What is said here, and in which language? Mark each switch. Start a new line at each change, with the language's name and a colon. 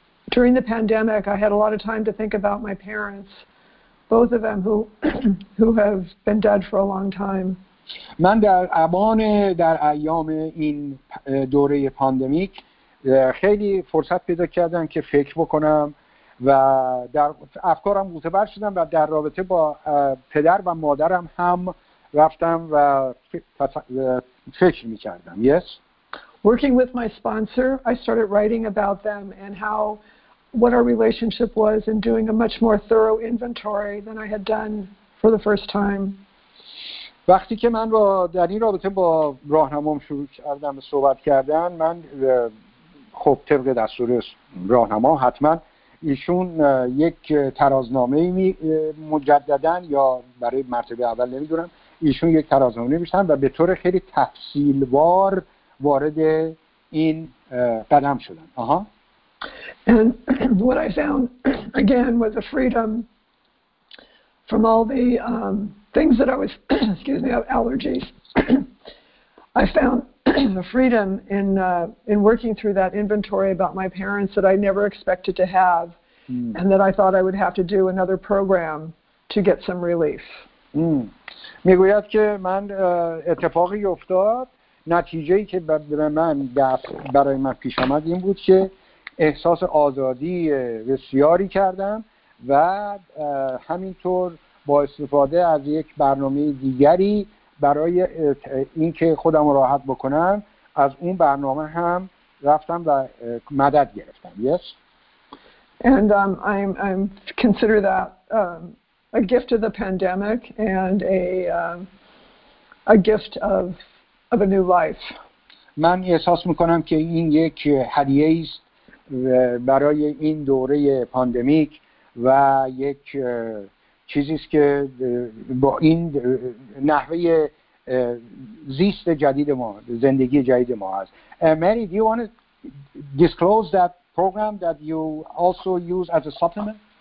English: During the pandemic, I had a lot of time to think about my parents, both of them who have been dead for a long time.
Persian: من در ایام این دوره پاندمیک خیلی فرصت پیدا کردم که فکر بکنم و در افکارم غوطه‌ور شدم و در رابطه با پدر و مادرم هم رفتم و فکر می‌کردم.
English: Yes. Working with my sponsor, I started writing about them and how what our relationship was and doing a much more thorough inventory than I had done for the first time.
Persian: وقتی که من با در این رابطه با راهنمام شروع کردم به صحبت کردن من خب طبق دستور راهنما حتما ایشون یک ترازنامه مجددن یا برای مرتبه اول نمیدونم ایشون یک ترازنامه نوشتن و به طور خیلی تفصیلوار وارد این قدم شدن. آها.
English: And what I found again was a freedom from all the things that I was, excuse me, allergies. I found the freedom in working through that inventory about my parents that I never expected to have, and that I thought I would have to do another program to get some relief.
Persian: میگوید که من اتفاقی افتاد، نتیجه‌ای که برای من پیش آمد این بود که احساس آزادی بسیاری کردم و همینطور با استفاده از یک برنامه دیگری برای اینکه خودم راحت بکنم از اون برنامه هم رفتم و مدد گرفتم.
English: Yes. And I'm consider that a gift of the pandemic and a gift of a new life.
Persian: من احساس میکنم که این یک هدیه است برای این دوره پاندمیک و یک چیزی است که با این نحوه زیست جدید ما، زندگی جدید ما است.
English: Mary, do you want to disclose that program that you also use as a supplement?